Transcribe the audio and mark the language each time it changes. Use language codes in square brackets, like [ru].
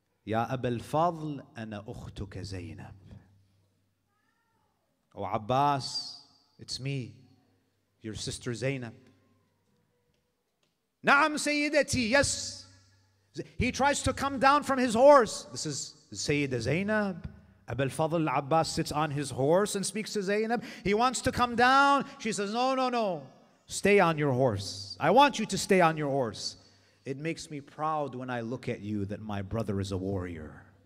[ar] يا أبا الفضل أنا أختك زينب. [en] أو عباس, it's me, your sister Zainab. [ar] نعم سيدتي, yes. [en] He tries to come down from his horse. This is Sayyida Zainab. Abu al-Fadl al-Abbas sits on his horse and speaks to Zainab. He wants to come down. She says, no, no, no. Stay on your horse. I want you to stay on your horse. It makes me proud when I look at you that my brother is a warrior.